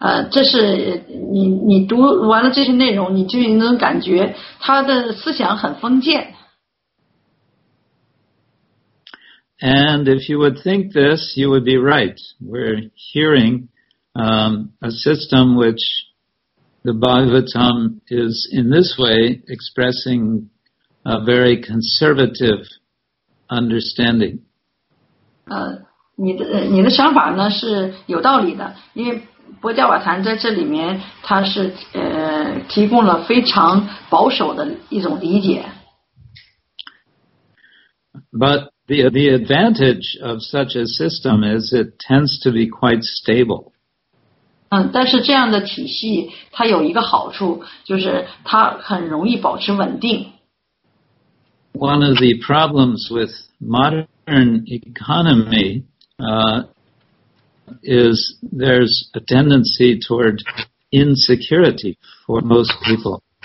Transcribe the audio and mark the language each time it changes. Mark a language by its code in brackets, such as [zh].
[zh] 这是你读完了这些内容，你就能感觉他的思想很封建。 [en] And if you would think this, you would be right. We're hearing a system which the Bhagavatam is in this way expressing a very conservative understanding. [zh] 你的想法呢是有道理的，因为佛教瓦坛在这里面它是提供了非常保守的一种理解。 [en] But the advantage of such a system is it tends to be quite stable. [zh] 但是这样的体系它有一个好处，就是它很容易保持稳定。 [en] One of the problems with modern economy is there's a tendency toward insecurity for most people.